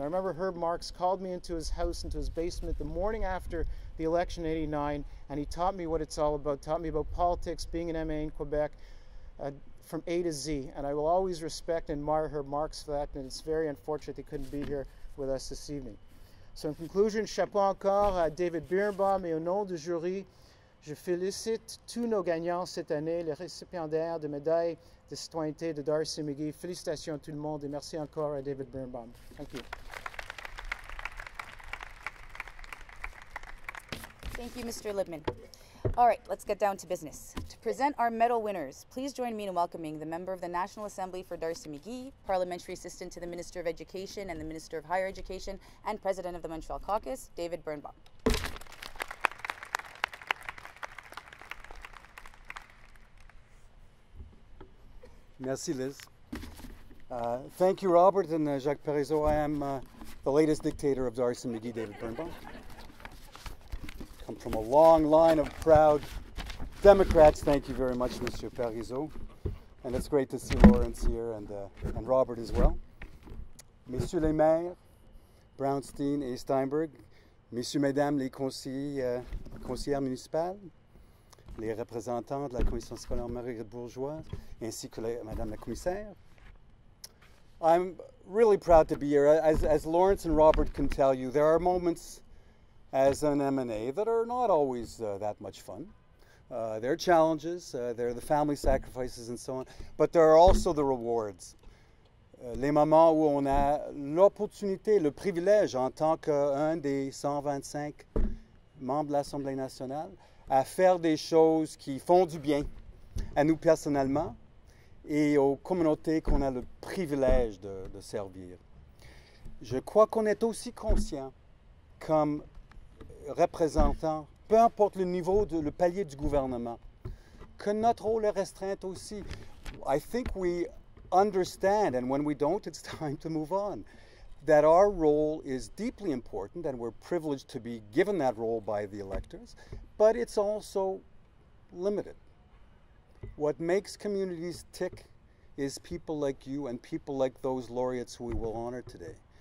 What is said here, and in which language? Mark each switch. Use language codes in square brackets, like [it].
[en] And I remember Herb Marx called me into his house, into his basement, the morning after the election in 89, and he taught me what it's all about, taught me about politics, being an MA in Quebec, from A to Z. And I will always respect and admire Herb Marx for that, and it's very unfortunate they couldn't be here with us this evening. So in conclusion, [fr] chapeau encore à David Birnbaum, et au nom du jury, je félicite tous nos gagnants cette année, les récipiendaires de médailles de citoyenneté de D'Arcy-McGee. Félicitations à tout le monde et merci encore à David Birnbaum. [en] Thank you. Thank you, Mr. Libman. All right, let's get down to business. To present our medal winners, please join me in welcoming the member of the National Assembly for D'Arcy-McGee, parliamentary assistant to the Minister of Education and the Minister of Higher Education, and president of the Montreal Caucus, David Birnbaum. Merci, Liz. Thank you, Robert and Jacques Parizeau. I am the latest dictator of D'Arcy-McGee, David Birnbaum. Come from a long line of proud Democrats. Thank you very much, Monsieur Parizeau. And it's great to see Lawrence here and Robert as well. [fr] Monsieur les maires, Brownstein et Steinberg, Monsieur, Mesdames les conseillers municipales, les représentants de la Commission scolaire Marguerite Bourgeois, ainsi que Madame la Commissaire. [en] I'm really proud to be here. As Lawrence and Robert can tell you, there are moments as an MNA that are not always that much fun. There are challenges, there are the family sacrifices and so on, but there are also the rewards. [fr] Les moments où on a l'opportunité, le privilège, en tant qu'un des 125 membres de l'Assemblée nationale, à faire des choses qui font du bien à nous personnellement et aux communautés qu'on a le privilège de servir. Je crois qu'on est aussi conscient, comme représentants, peu importe le niveau, le palier du gouvernement, que notre rôle est restreint aussi. [en] I think we understand, and when we don't, it's time to move on, that our role is deeply important and we're privileged to be given that role by the electors, but it's also limited. What makes communities tick is people like you and people like those laureates who we will honor today.